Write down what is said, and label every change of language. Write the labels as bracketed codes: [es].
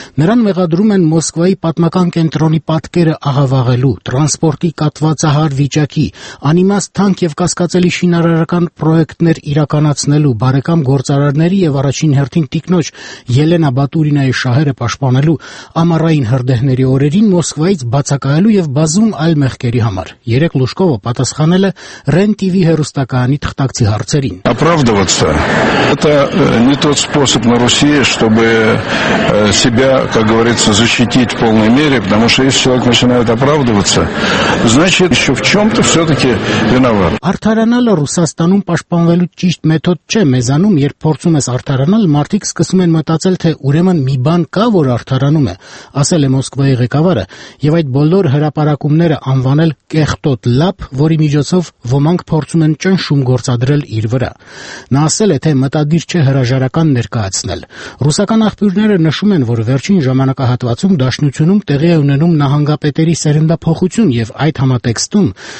[hy] Նրան մեղադրում են Մոսկվայի պատմական կենտրոնի պատկերը աղավաղելու, տրանսպորտի կատվածահար վիճակի, անիմաստ թանկ և կասկածելի շինարարական պրոյեկտներ իրականացնելու, բարեկամ գործարարների և առաջին հերթին տիկնոջ Ելենա Բատուրինայի շահերը պաշտպանելու ամառային հրդեհների օրերին Մոսկվայից բացակայելու և բազում այլ մեղքերի համար։ Երեկ Լուշկովը պատասխանել РЕН-ТВ հեռուստականի թղթակցի հարցերին. [ru] Оправдываться это не тот способ на Руси, чтобы себя, как говорится, защитить в полной мере, потому что если человек начинает оправдываться, значит ещё в чём-то всё-таки виноват. [hy] Արդարանալը Ռուսաստանում պաշտպանվելու ճիշտ մեթոդ չէ, մեզանում երբ փորձում ես արդարանալ, մարդիկ սկսում են մտածել, թե ուրեմն մի բան կա, որ արդարանում է, ասել է Մոսկվայի ղեկավարը, եւ այդ բոլոր հրապարակումները անվանել կեղտոտ լապ, որի միջոցով ոմանք փորձում են ճնշում գործադրել իր վրա։ Նա ասել է, թե մտադիր չէ հրաժարական ներկայացնել։ Ռուսական աղբյուրները նշում են, որ վերջին ժամանակահատվածում Դաշնությունում տեղի է ունենում նահանգապետերի սերնդափոխություն և այդ համատեքստում